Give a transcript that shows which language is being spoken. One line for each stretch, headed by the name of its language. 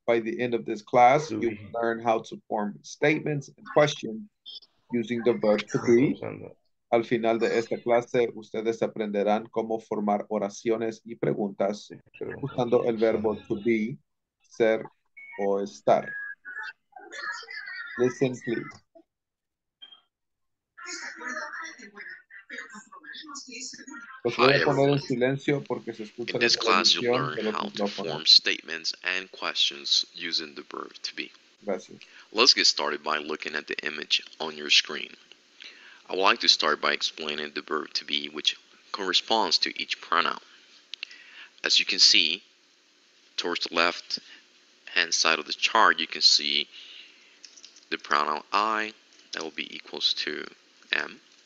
English: By the end of this class, you will learn how to form statements and questions using the verb to be.
Spanish: Al final de esta clase, ustedes aprenderán cómo formar oraciones y preguntas usando el verbo to be, ser o estar.
English: Listen, please.
Spanish: Los voy a poner en silencio porque se escucha.
English: In this class, you learn how to form statements and questions using the verb to be.
Spanish: Gracias.
English: Let's get started by looking at the image on your screen. I would like to start by explaining the verb to be, which corresponds to each pronoun. As you can see, towards the left hand side of the chart, you can see the pronoun I, that will be equals to am.